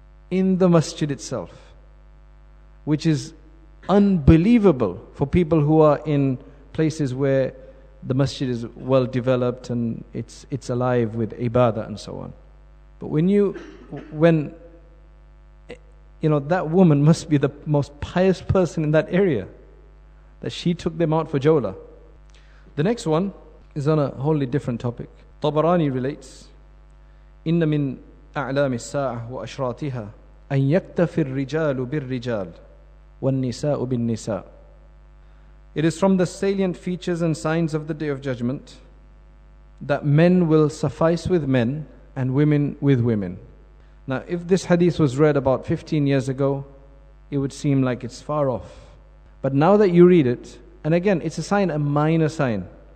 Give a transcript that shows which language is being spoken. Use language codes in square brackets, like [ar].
[en] In the masjid itself, which is unbelievable for people who are in places where the masjid is well developed and it's alive with ibadah and so on. But when that woman must be the most pious person in that area, that she took them out for jawla. The next one is on a wholly different topic. [ar] Tabarani relates, إِنَّ مِنْ أَعْلَامِ السَّاعَةِ وَأَشْرَاطِهَا أَنْ يَكْتَفِ الرِّجَالُ بِالرِّجَالِ وَالنِّسَاءُ بِالنِّسَاءِ. [en] It is from the salient features and signs of the Day of Judgment that men will suffice with men and women with women. Now, if this hadith was read about 15 years ago, it would seem like it's far off. But now that you read it, and again, it's a sign, a minor sign.